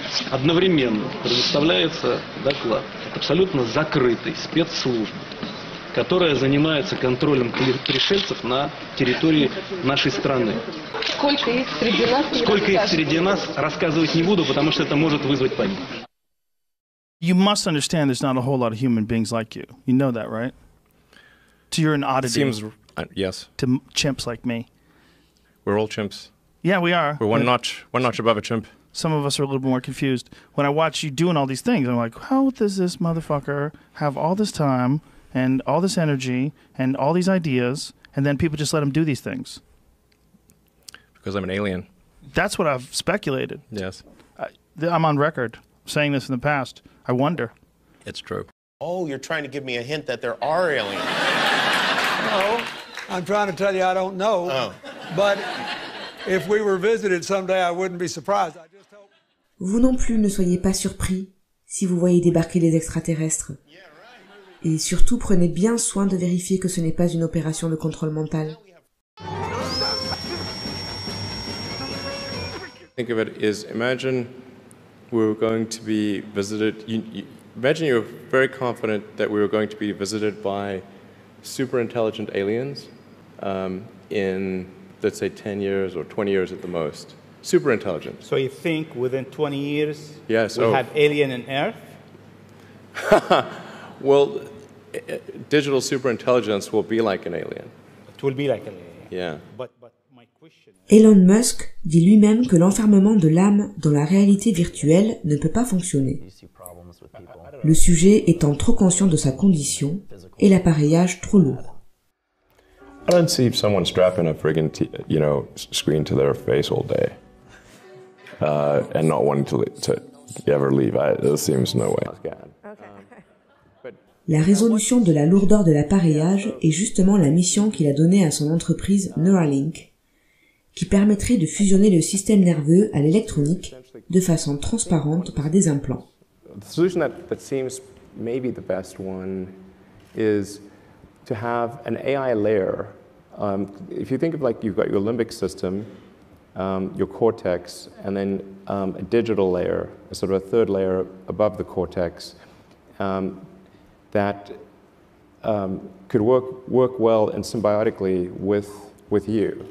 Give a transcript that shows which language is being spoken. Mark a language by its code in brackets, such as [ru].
[ru] Одновременно предоставляется доклад от абсолютно закрытой спецслужбы, которая занимается контролем пришельцев на территории нашей страны. Сколько их среди нас? Сколько их среди нас, рассказывать не буду, потому что это может вызвать панику. [en] You must understand there's not a whole lot of human beings like you. You know that, right? To you're an oddity. Seems, yes. To chimps like me. We're all chimps. Yeah, we are. We're one notch above a chimp. Some of us are a little more confused. When I watch you doing all these things, I'm like, how does this motherfucker have all this time and all this energy and all these ideas, and then people just let him do these things? Because I'm an alien. That's what I've speculated. Yes. I'm on record saying this in the past. I wonder. It's true. Oh, you're trying to give me a hint that there are aliens. No, I'm trying to tell you I don't know. Oh. But if we were visited someday, I wouldn't be surprised. I just hope... [fr] Vous non plus ne soyez pas surpris si vous voyez débarquer les extraterrestres. Et surtout, prenez bien soin de vérifier que ce n'est pas une opération de contrôle mental. [en] Think of it as, imagine we were going to be visited... Imagine you're very confident that we were going to be visited by super intelligent aliens in, let's say, 10 years or 20 years at the most. Super intelligent. So you think within 20 years we have alien and Earth? Well, digital super intelligence will be like an alien. It will be like an alien. Yeah. But my question... [fr] Elon Musk dit lui-même que l'enfermement de l'âme dans la réalité virtuelle ne peut pas fonctionner. Le sujet étant trop conscient de sa condition et l'appareillage trop lourd. [en] I don't see someone strapping a friggin' screen to their face all day and not wanting to ever leave. It seems no way. [fr] La résolution de la lourdeur de l'appareillage est justement la mission qu'il a donnée à son entreprise Neuralink, qui permettrait de fusionner le système nerveux à l'électronique de façon transparente par des implants. [en] The solution that seems maybe the best one is to have an AI layer. If you think of like you've got your limbic system, your cortex, and then a digital layer, a sort of a third layer above the cortex, that could work well and symbiotically with you.